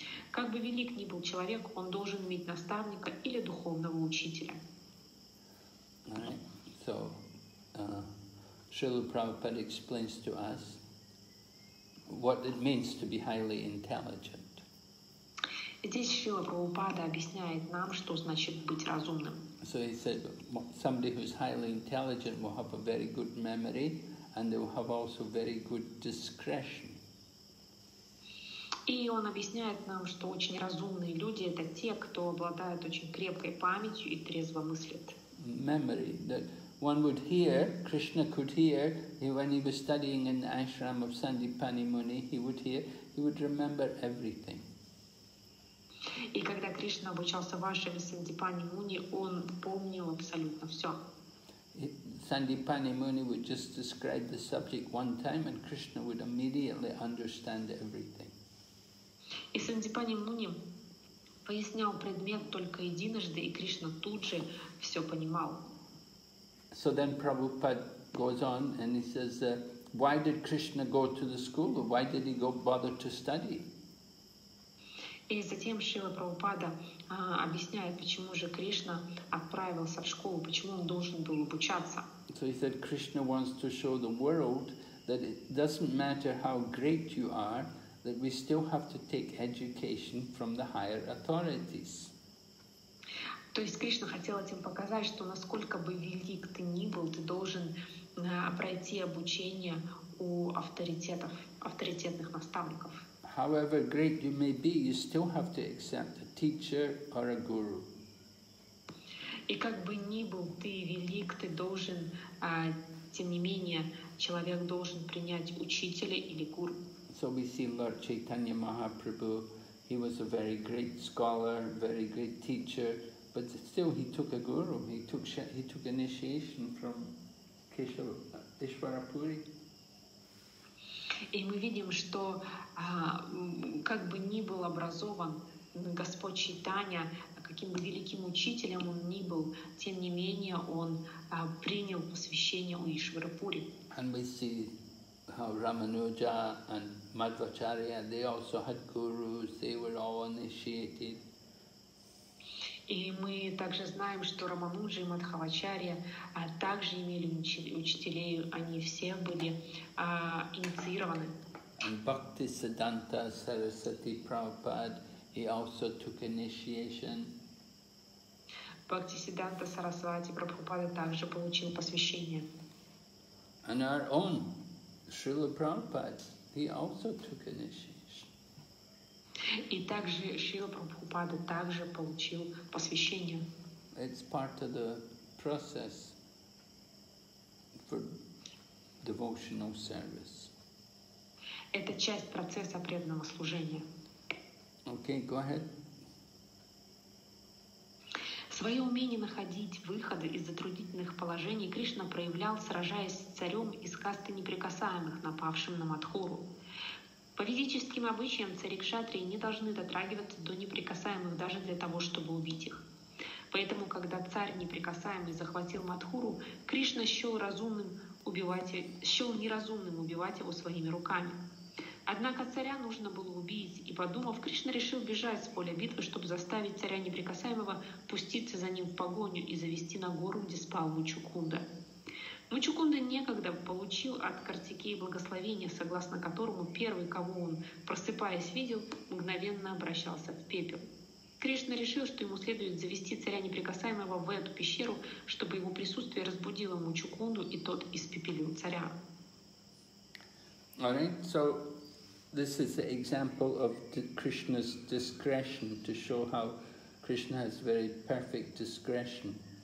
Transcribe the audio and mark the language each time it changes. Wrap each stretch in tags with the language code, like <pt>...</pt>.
<ru>Как бы велик ни был человек, он должен иметь наставника или духовного учителя.</ru> <en>Alright. So, Srila Prabhupada explains to us what it means to be highly intelligent.</en> <ru>Здесь Шрила Прабхупада объясняет нам, что значит быть разумным.</ru> <en>So he said, somebody who is highly intelligent will have a very good memory, and they will have also very good discretion.</en> <ru>И он объясняет нам, что очень разумные люди — это те, кто обладают очень крепкой памятью и трезво мыслят.</ru> <en>Memory, that one would hear, Krishna could hear, when he was studying in the ashram of Sandipani Muni, he would hear, he would remember everything.</en> <ru>И когда Кришна обучался в ашраме Сандипани Муни, он помнил абсолютно все.</ru> <en>Сандипани Муни would just describe the subject one time, and Krishna would immediately understand everything.</en> <ru>И Сандипани Муни пояснял предмет только единожды, и Кришна тут же все понимал.</ru> <en>So then Prabhupada goes on and he says, why did Krishna go to the school? Why did he go bother to study?</en> <ru>И затем Шрила Прабхупада объясняет, почему же Кришна отправился в школу, почему он должен был обучаться.</ru> <en>So he said, Krishna wants to show the world that it doesn't matter how great you are, that we still have to take education from the higher authorities.</en> <ru>То есть Кришна хотел этим показать, что насколько бы велик ты ни был, ты должен пройти обучение у авторитетов, авторитетных наставников.</ru> <en>However great you may be, you still have to accept a teacher or a guru.</en> <ru>И как бы ни был ты велик, ты должен, тем не менее, человек должен принять учителя или гуру.</ru> <en>So we see Lord Chaitanya Mahaprabhu, he was a very great scholar, very great teacher, but still he took a guru, he took initiation from Ishwarapuri.</en> <ru>И мы видим, что как бы ни был образован Господь Чайтанья, каким бы великим учителем он ни был, тем не менее он принял посвящение у Ишварапури.</ru> <en>And we see how Рамануджа and Мадхвачарья, they also had gurus, they were all initiated.</en> <ru>И мы также знаем, что Рамануджа и Мадхавачарья также имели учителей, они все были инициированы.</ru> <en>And Bhakti Siddhanta Sarasvati Prabhupada, he also took initiation.</en> <ru>Bhakti Siddhanta Sarasvati Prabhupada также получил посвящение.</ru> <en>And our own Srila Prabhupada, he also took initiation.</en> <ru>И также Шрила Прабхупада также получил посвящение.</ru> <en>It's part of the process for devotional service.</en> <ru>Это часть процесса преданного служения.</ru> <en>Okay, go ahead.</en> <ru>Свое умение находить выходы из затруднительных положений Кришна проявлял, сражаясь с царем из касты неприкасаемых, напавшим на Мадхуру. По ведическим обычаям цари кшатрии не должны дотрагиваться до неприкасаемых даже для того, чтобы убить их. Поэтому, когда царь неприкасаемый захватил Мадхуру, Кришна счел неразумным убивать его своими руками. Однако царя нужно было убить, и, подумав, Кришна решил бежать с поля битвы, чтобы заставить царя неприкасаемого пуститься за ним в погоню и завести на гору, где спал Мучукунда. Мучукунда некогда получил от Картикеи благословение, согласно которому первый, кого он, просыпаясь, видел, мгновенно обращался в пепел. Кришна решил, что ему следует завести царя неприкасаемого в эту пещеру, чтобы его присутствие разбудило Мучукунду, и тот испепелил царя.</ru> <en>This is an example of Krishna's discretion to show how Krishna has very perfect discretion.</en>